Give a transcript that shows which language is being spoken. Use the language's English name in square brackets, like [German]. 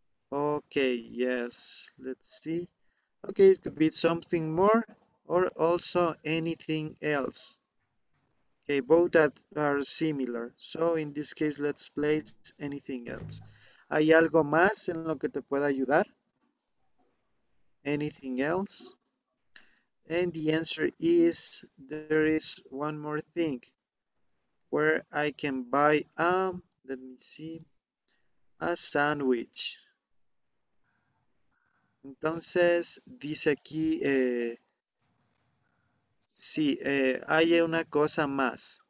[English] Okay, yes, let's see. Okay, it could be something more or also anything else. Okay, both that are similar. So in this case, let's place anything else. [Spanish] ¿Hay algo más en lo que te pueda ayudar? [English] Anything else? And the answer is, there is one more thing. Where I can buy let me see, a sandwich. [Spanish] Entonces, dice aquí, sí, hay una cosa más.